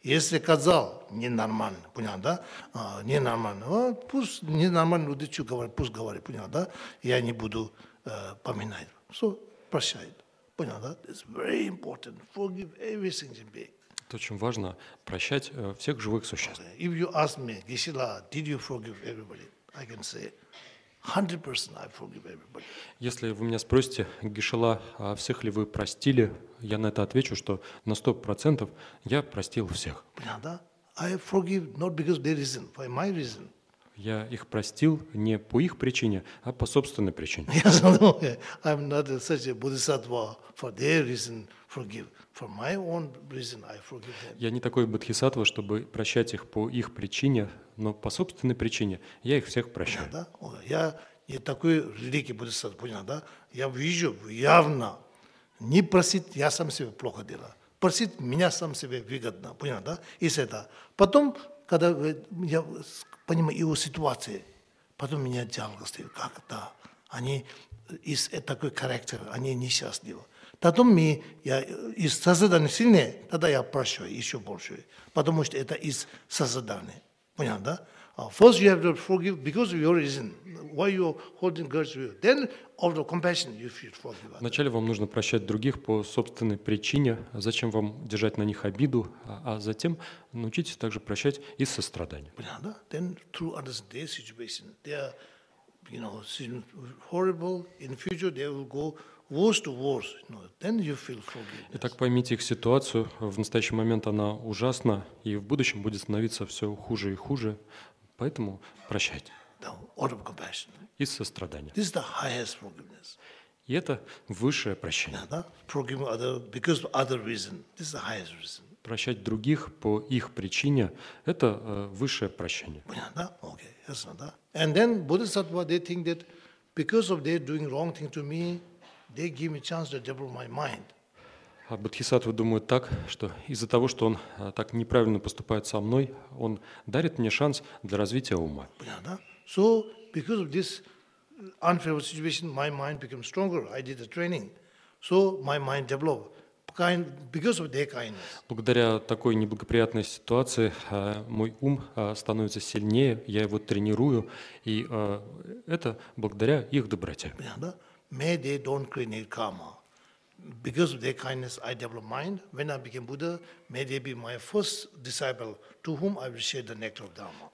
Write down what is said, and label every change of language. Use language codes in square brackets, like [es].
[ru] Если сказал, ненормально, понял, да? Ненормально. Пусть ненормальные люди что говорят, пусть говорят, понял, да? Я не буду поминать. Все, прощает. Понял, да? [en] It's very important. Forgive everything to be. [ru] Это очень важно, прощать всех живых существ. [en] Okay. If you ask me, Gisela, did you forgive everybody? I can say 100% I forgive everybody. [ru] Если вы меня спросите, Гишела, а всех ли вы простили, я на это отвечу, что на 100% я простил всех. Понятно, да? [en] I forgive not because their reason, for my reason. [ru] Я их простил не по их причине, а по собственной причине. [en] Yes, no, I'm not such a bodhisattva for their reason forgive. For my own reason, I forgive them. [ru] Я не такой бодхисаттва, чтобы прощать их по их причине, но по собственной причине я их всех прощаю. Да? Я не такой великий бодхисаттва, понял, да? Я вижу явно, не просить, я сам себе плохо делаю. Просить меня сам себе выгодно, понял, да? Если это. Потом, когда я понимаю его ситуацию, потом меня жалко стоит, как да, они из такой характера, они несчастливы. Потом я из созидания сильнее, тогда я прощу еще больше. Потому что это из созидания. Понятно, да? [en] First you have to forgive because of your reason. Why you holding grudge with you. Then of the compassion you feel forgive. [ru] Вначале вам нужно прощать других по собственной причине. Зачем вам держать на них обиду? А затем научитесь также прощать из сострадания. Понятно, да? [en] Then through understanding their situation. They are, you know, horrible. In future they will go worse to worse, you know, then you feel forgiveness. [ru] Итак, поймите их ситуацию. В настоящий момент она ужасна, и в будущем будет становиться все хуже и хуже. Поэтому прощайте. [en] The order of compassion. [ru] Из сострадания. [en] This is the highest forgiveness. [ru] И это высшее прощение. [en] Yeah, да? Forgive other because of other reason. This is the highest reason. [ru] Прощать других по их причине – это высшее прощение. Понятно, да? [en] Okay, [ru] ясно, да? [en] And then Buddhists, they think that because of their doing wrong thing to me, They give me chance to develop my mind. [ru] А Бодхисаттва думает так, что из-за того, что он так неправильно поступает со мной, он дарит мне шанс для развития ума. Понятно? [en] So, because of this unfavorable situation, my mind became stronger. I did the training. So, my mind developed. Because of their kindness. Благодаря такой неблагоприятной ситуации мой ум становится сильнее, я его тренирую, и это благодаря их доброте. May they don't create karma. Because of their kindness, I develop mind. When I became Buddha, may they be my first disciple, to whom I will share the nectar of Dharma.